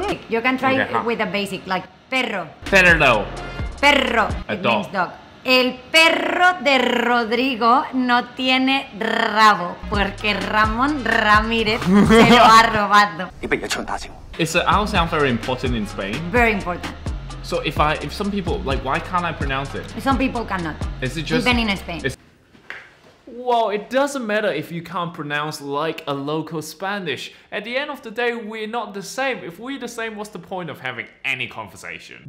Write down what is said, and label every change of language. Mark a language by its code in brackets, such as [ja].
[en] You can try with a basic like perro. [es] Perro. Perro. [en] A dog. Means dog. [es] El perro de Rodrigo no tiene rabo porque Ramón Ramírez se lo ha robado. [en] Is the owl sound very important in Spain? Very important. So if some people, like, why can't I pronounce it? Some people cannot. Is it just even in Spain? Well, it doesn't matter if you can't pronounce like a local Spanish. At the end of the day, we're not the same. If we're the same, what's the point of having any conversation?